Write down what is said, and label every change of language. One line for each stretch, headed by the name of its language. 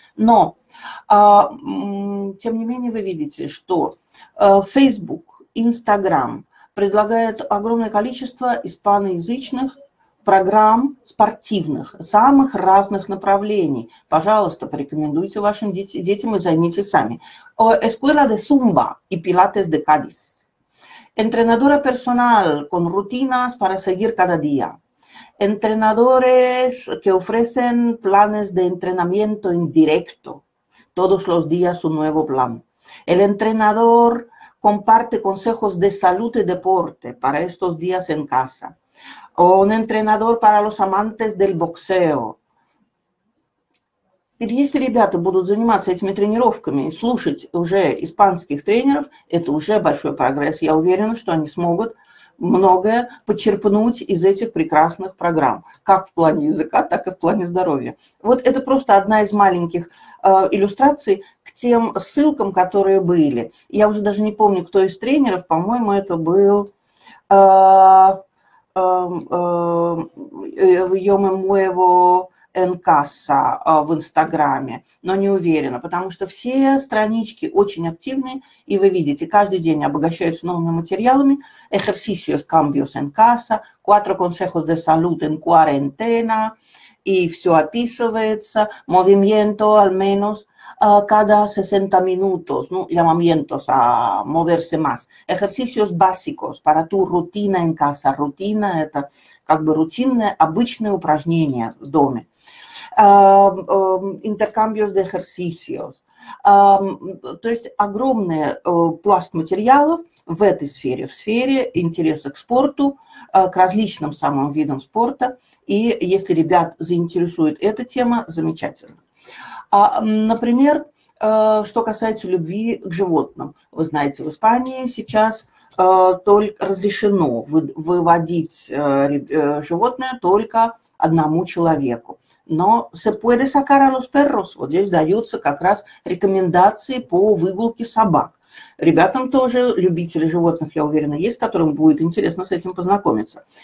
Russian: Но, тем не менее, вы видите, что Facebook, Instagram предлагают огромное количество испаноязычных программ спортивных, самых разных направлений. Пожалуйста, порекомендуйте вашим детям и займитесь сами.
Spanish: «Escuela de Zumba» и «Pilates de Cádiz». Entrenadora personal con rutinas para seguir cada día. Entrenadores que ofrecen planes de entrenamiento en directo. Todos los días un nuevo plan. El entrenador comparte consejos de salud y deporte para estos días en casa. O un entrenador para los amantes del boxeo.
Russian: Если ребята будут заниматься этими тренировками, слушать уже испанских тренеров, это уже большой прогресс. Я уверена, что они смогут многое почерпнуть из этих прекрасных программ, как в плане языка, так и в плане здоровья. Вот это просто одна из маленьких иллюстраций к тем ссылкам, которые были. Я уже даже не помню, кто из тренеров, по-моему, это был Йоме Муэво Энкасса в Инстаграме, но не уверена, потому что все странички очень активны, и вы видите, каждый день обогащаются новыми материалами.
Spanish: Ejercicios cambios en casa, cuatro consejos de salud en cuarentena, и все описывается. Movimiento al menos cada 60 minutos, ну, llamamientos a moverse más. Ejercicios básicos para tu rutina en casa.
Russian: Rutina – это как бы рутинное, обычное упражнение в доме.
Spanish: Intercambios de ejercicios.
Russian: То есть огромный пласт материалов в этой сфере, в сфере интереса к спорту, к различным самым видам спорта. И если ребят заинтересует эта тема, замечательно. Например, что касается любви к животным. Вы знаете, в Испании сейчас только разрешено выводить животное только одному человеку.
Spanish: Но se puede sacar a los perros.
Russian: Вот здесь даются как раз рекомендации по выгулке собак. Ребятам тоже, любители животных, я уверена, есть, которым будет интересно с этим познакомиться.